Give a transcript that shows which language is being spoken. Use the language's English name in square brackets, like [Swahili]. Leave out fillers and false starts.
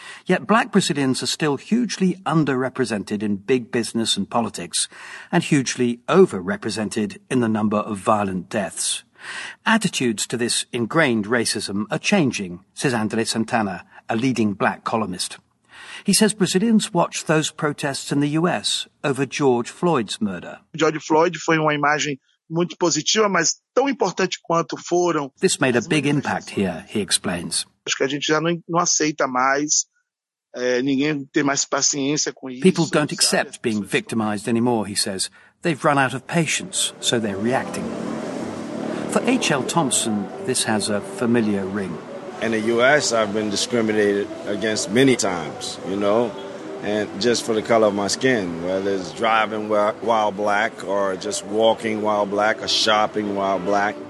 [English] Yet black Brazilians are still hugely underrepresented in big business and politics, and hugely overrepresented in the number of violent deaths. Attitudes to this ingrained racism are changing, says André Santana, a leading black columnist. He says Brazilians watched those protests in the US over George Floyd's murder. [Portuguese] George Floyd foi uma imagem muito positiva, mas tão importante quanto foram. [English] This made a big impact here, he explains. [Portuguese] Acho que a gente já não aceita mais, ninguém tem mais paciência com isso. [English] People don't accept being victimized anymore, he says. They've run out of patience, so they're reacting. For H.L. Thompson, this has a familiar ring. In the U.S., I've been discriminated against many times, you know, and just for the color of my skin, whether it's driving while black or just walking while black or shopping while black.